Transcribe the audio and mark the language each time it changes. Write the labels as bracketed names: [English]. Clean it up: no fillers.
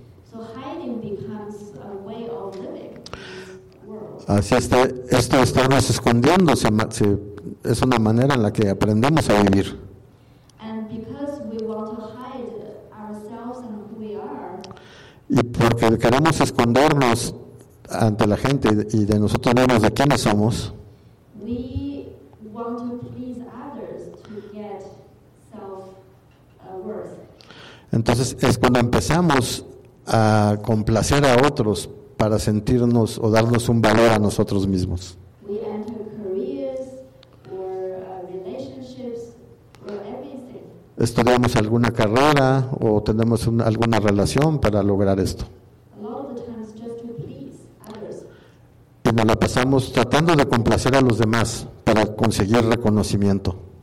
[English] So hiding becomes a way of living in this world. [Spanish] Así está, esto estamos escondiendo, es una manera en la que aprendemos a vivir. [English] And because we want to hide ourselves and who we are. [Spanish] Y porque queremos escondernos ante la gente y de nosotros mismos de quiénes somos. [English] We want to please others to get self worth. [Spanish] Entonces es cuando empezamos a complacer a otros para sentirnos o darnos un valor a nosotros mismos. [English] We enter careers or relationships or everything. [Spanish] Estudiamos alguna carrera o tenemos alguna relación para lograr esto. [English] A lot of the times just to please others. [Spanish] Y nos la pasamos tratando de complacer a los demás para conseguir reconocimiento.